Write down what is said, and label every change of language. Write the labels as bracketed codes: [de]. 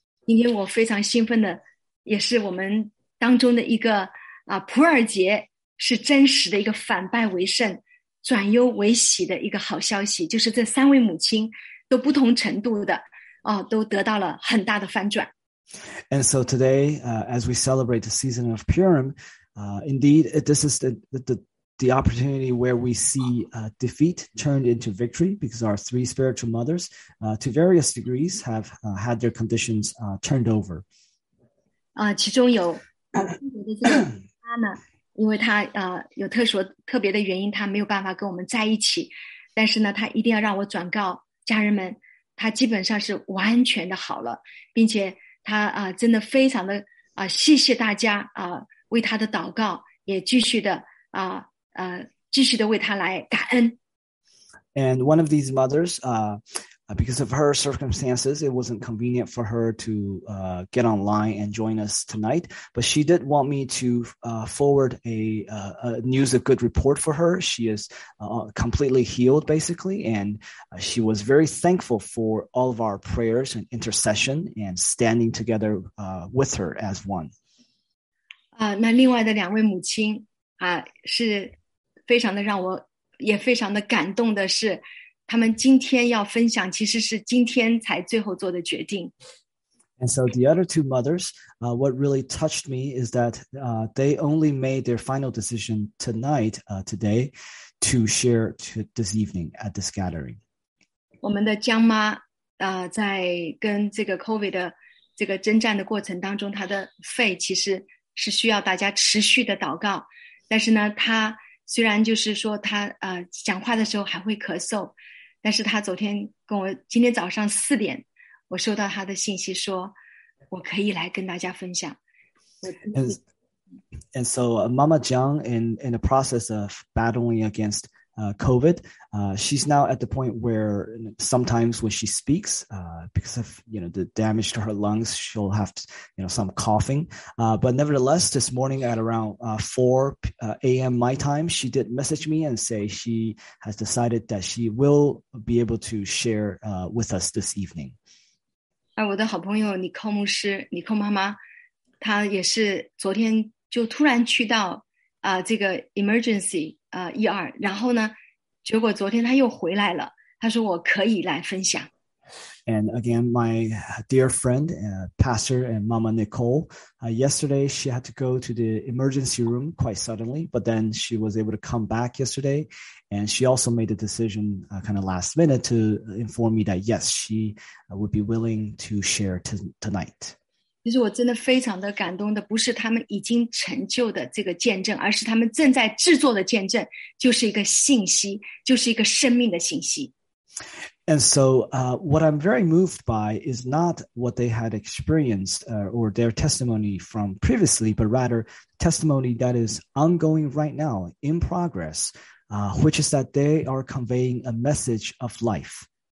[zh] 今天我非常兴奋的，也是我们当中的一个啊，普尔节是真实的一个反败为胜、转忧为喜的一个好消息，就是这三位母亲都不同程度的啊，都得到了很大的翻转。 [en] And so today, as we celebrate the season of Purim, indeed, this is the opportunity where we see defeat turned into victory because our three spiritual mothers, to various degrees, have had their conditions turned over. [zh] 其中有中国的这个妈呢，因为她有特殊特别的原因，她没有办法跟我们在一起，但是呢，她一定要让我转告家人们，她基本上是完全的好了，并且她真的非常的谢谢大家为她的祷告，也继续的继续的为他来感恩。 [en] And one of these mothers, because of her circumstances, it wasn't convenient for her to get online and join us tonight. But she did want me to forward a news of good report for her. She is completely healed, basically, and she was very thankful for all of our prayers and intercession and standing together with her as one. [zh] 那另外的两位母亲。是非常的让我也非常的感动的是他们今天要分享其实是今天才最后做的决定。 [en] And so the other two mothers, what really touched me is that they only made their final decision tonight, today, to share this evening at this gathering. [zh] 我们的江妈在跟这个 COVID 的这个征战的过程当中她的肺其实是需要大家持续的祷告。但是呢，他虽然就是说他讲话的时候还会咳嗽，但是他昨天跟我今天早上四点，我收到他的信息说，我可以来跟大家分享。 [en] And so Mama Jiang in the process of battling against COVID, she's now at the point where sometimes when she speaks, because of you know the damage to her lungs, she'll have to, you know some coughing. But nevertheless, this morning at around 4 a.m. my time, she did message me and say she has decided that she will be able to share with us this evening. [zh] 我的好朋友尼寇牧师，尼寇妈妈，她也是昨天就突然去到这个 emergency。 ER, 然后呢结果昨天他又回来了他说我可以来分享。 [en] And again, my dear friend, pastor and mama Nicole, yesterday she had to go to the emergency room quite suddenly, but then she was able to come back yesterday. And she also made a decision kind of last minute to inform me that yes, she would be willing to share tonight. [zh] 其实我真的非常的感动的不是他们已经成就的这个见证而是他们正在制作的见证就是一个信息就是一个生命的信息。 [en] And so, what I'm very moved by is not what they had experienced, or their testimony from previously, but rather testimony that is ongoing right now, in progress, which is that they are conveying a message of life.